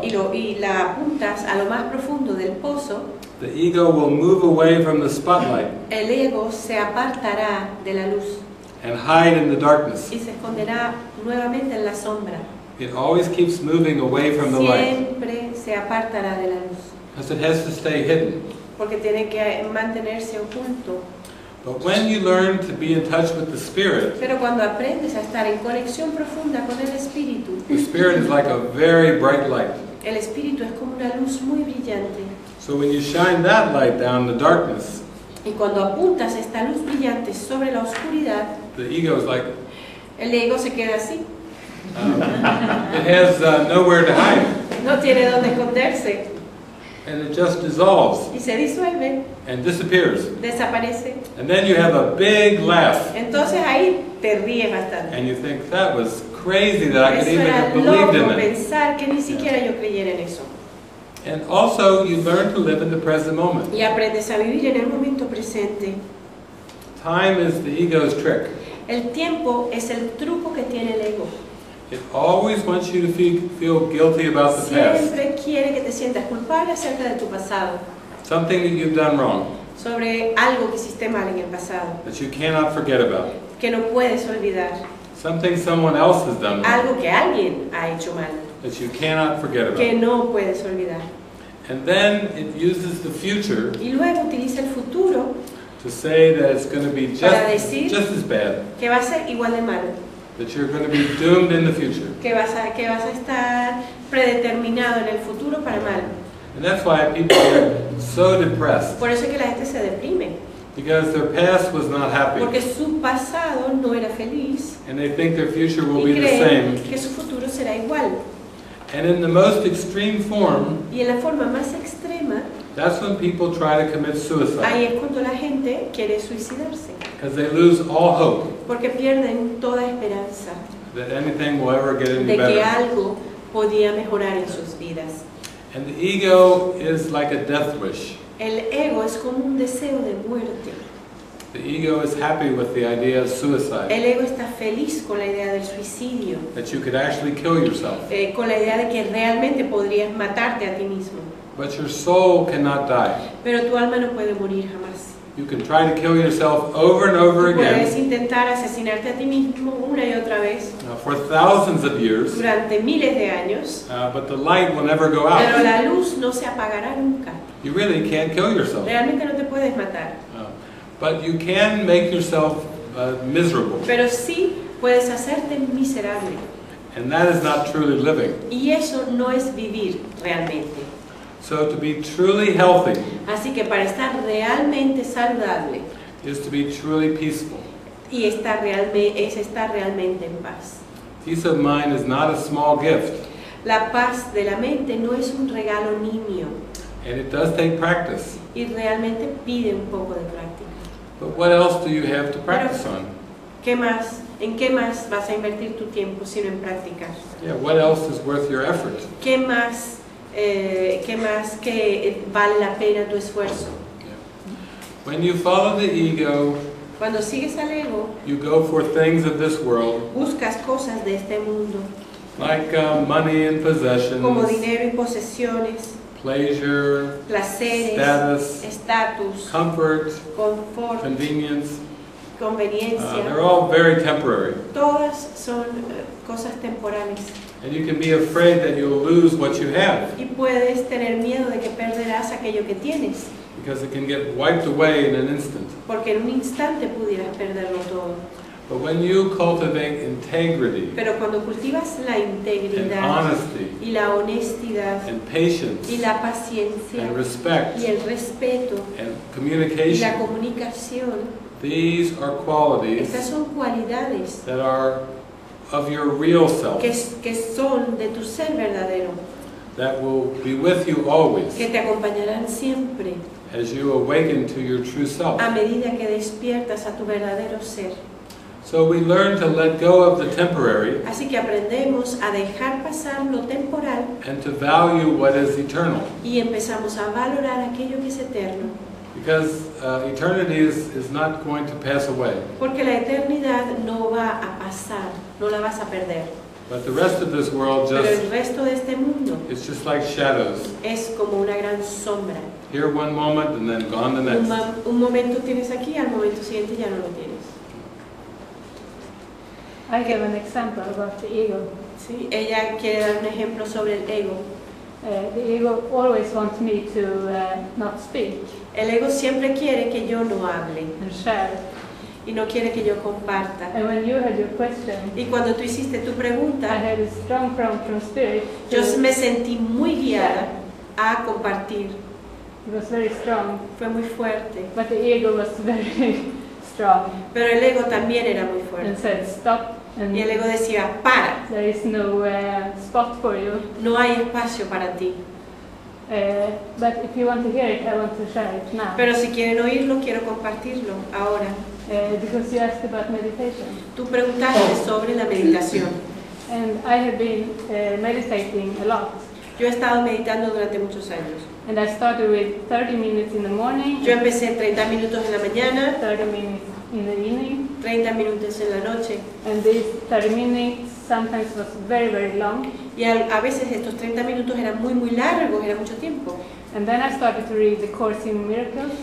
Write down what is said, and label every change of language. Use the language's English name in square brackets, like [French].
[Spanish] Y la apuntas a lo más profundo del pozo. [English] The ego will move away from the spotlight. [Spanish] El ego se apartará de la luz. [English] And hide in the darkness. [Spanish] Y se esconderá nuevamente en la sombra. [English] It always keeps moving away from the [Spanish] Siempre [English] light. [Spanish] Siempre se apartará de la luz. [English] Because it has to stay hidden. [Spanish] Porque tiene que mantenerse oculto. [English] But when you learn to be in touch with the spirit, [Spanish] pero cuando aprendes a estar en conexión profunda con el espíritu, [English] the spirit is like a very bright light. [Spanish] El espíritu es como una luz muy brillante. [English] So when you shine that light down the darkness, [Spanish] y cuando apuntas esta luz brillante sobre la oscuridad, [English] the ego is like, [Spanish] el ego se queda así. [English] It has nowhere to hide. [Spanish] No tiene donde esconderse. [English] And it just dissolves. [Spanish] Y se disuelve. [English] And disappears. [Spanish] Desaparece. [English] And then you have a big laugh. [Spanish] Entonces ahí te ríes bastante. [English] And you think that was crazy that [Spanish] eso [English] I could even have believed in it. [Spanish] Pensar que ni siquiera yo creyera en eso. [English] And also you learn to live in the present moment. [Spanish] Y aprendes a vivir en el momento presente. [English] Time is the ego's trick. [Spanish] El tiempo es el truco que tiene el ego. [English] It always wants you to feel guilty about the past. [Spanish] Siempre quiere que te sientas culpable acerca de tu pasado. [English] Something that you've done wrong. [Spanish] Sobre algo que hiciste mal en el pasado. [English] That you cannot forget about. [Spanish] Que no puedes olvidar. [English] Something someone else has done wrong. [Spanish] Algo que alguien ha hecho mal. [English] That you cannot forget about. [Spanish] Que no puedes olvidar. [English] And then it uses the future. [Spanish] Y luego utiliza el futuro. [English] To say that it's going to be just as bad. [Spanish] Que va a ser igual de malo. [English] That you're going to be doomed in the future. [Spanish] Que vas a estar predeterminado en el futuro para mal. [English] And that's why people are so depressed. [Spanish] Por eso es que la gente se deprime. [English] Because their past was not happy. [Spanish] Porque su pasado no era feliz. [English] And they think their future will [Spanish] y [English] be the same. [Spanish] Que su futuro será igual. [English] And in the most extreme form. [Spanish] Y en la forma más extrema. [English] That's when people try to commit suicide. [Spanish] Ahí es cuando la gente quiere suicidarse. [English] Because they lose all hope. [Spanish] Porque pierden toda esperanza. [English] That anything will ever get any [Spanish] de [English] better. [Spanish] Que algo podía mejorar en sus vidas. [English] And the ego is like a death wish. [Spanish] El ego es como un deseo de muerte. [English] The ego is happy with the idea of suicide. [Spanish] El ego está feliz con la idea del suicidio. [English] That you could actually kill yourself. [Spanish] Con la idea de que realmente podrías matarte a ti mismo. [English] But your soul cannot die. [Spanish] Pero tu alma no puede morir jamás. [English] You can try to kill yourself over and over again. [Spanish] Puedes intentar asesinarte a ti mismo una y otra vez. [English] For thousands of years. [Spanish] Durante miles de años. [English] But the light will never go out. [Spanish] Pero la luz no se apagará nunca. [English] You really can't kill yourself. [Spanish] Realmente no te puedes matar. [English] But you can make yourself miserable. [Spanish] Pero sí puedes hacerte miserable. [English] And that is not truly living. [Spanish] Y eso no es vivir realmente. [English] So to be truly healthy, [Spanish] así que para estar realmente saludable, [English] is to be truly peaceful. [Spanish] Y estar realmente en paz. [English] Peace of mind is not a small gift. [Spanish] La paz de la mente no es un regalo niño. [English] And it does take practice. [Spanish] Y realmente pide un poco de práctica. [English] But what else do you have to practice on? [Spanish] ¿Qué más? ¿En qué más vas a invertir tu tiempo sino en practicar? [English] Yeah, what else is worth your effort? [Spanish] ¿Qué más? ¿Qué más que vale la pena tu esfuerzo? [English] When you follow the ego, [Spanish] cuando sigues al ego, [English] you go for things of this world, [Spanish] buscas cosas de este mundo, [English] like money and possessions, [Spanish] como dinero y posesiones, [English] pleasure, [Spanish] placeres, [English] status, [Spanish] estatus, [English] comfort, [Spanish] confort, [English] convenience, [Spanish] conveniencia. [English] They're all very temporary. [Spanish] Todas son cosas temporales. [English] And you can be afraid that you'll lose what you have. [Spanish] Y puedes tener miedo de que perderás aquello que tienes. [English] Because it can get wiped away in an instant. [Spanish] Porque en un instante pudieras perderlo todo. [English] But when you cultivate integrity, [Spanish] pero cuando cultivas la integridad, [English] and honesty, [Spanish] y la honestidad, [English] and patience, [Spanish] y la paciencia, [English] and respect, [Spanish] y el respeto, [English] and communication, [Spanish] y la comunicación, [English] these are qualities, [Spanish] estas son cualidades, [English] that are of your real self, [Spanish] que son de tu ser verdadero, [English] that will be with you always, [Spanish] que te acompañarán siempre, [English] as you awaken to your true self, [Spanish] a medida que despiertas a tu verdadero ser. [English] So we learn to let go of the temporary, [Spanish] así que aprendemos a dejar pasar lo temporal, [English] and to value what is eternal, [Spanish] y empezamos a valorar aquello que es eterno. [English] Because eternity is not going to pass away. [Spanish] Porque la eternidad no va a pasar, no la vas a perder. [English] But the rest of this world just, [Spanish] pero el resto de este mundo, [English] it's just like shadows. [Spanish] Es como una gran sombra. [English] Here one moment and then gone the next. [Spanish] Un momento tienes aquí, al momento siguiente ya no lo tienes. [English] I give an example about the ego. [Spanish] Sí, ella quiere dar un ejemplo sobre el ego. [English] The ego always wants me to not speak. [Spanish] El ego siempre quiere que yo no hable. [English] And share. [Spanish] Y no quiere que yo comparta. [English] And when you had your question, [Spanish] y cuando tú hiciste tu pregunta, [English] I had a strong prompt from spirit to, [Spanish] yo me sentí muy guiada a compartir. [English] It was very strong. [Spanish] Fue muy fuerte. [English] But the ego was very strong. [Spanish] Pero el ego también era muy fuerte. [English] And said, stop. And [Spanish] y el ego decía, para. [English] There is no spot for you. [Spanish] No hay espacio para ti. [English] But if you want to hear it, I want to share it now. [Spanish] Pero si quieren oírlo, quiero compartirlo ahora. [English] Because you asked about meditation. [Spanish] Tú preguntaste sobre la meditación. [English] And I have been meditating a lot. [Spanish] Yo he estado meditando durante muchos años. [English] And I started with 30 minutes in the morning. [Spanish] Yo empecé 30 minutos en la mañana. [English] 30 minutes in the evening. [Spanish] 30 minutos en la noche. [English] And these 30 minutes sometimes was very very long. [Spanish] Y a veces estos 30 minutos eran muy muy largos, era mucho tiempo. [English] And then I started to read the Course in Miracles.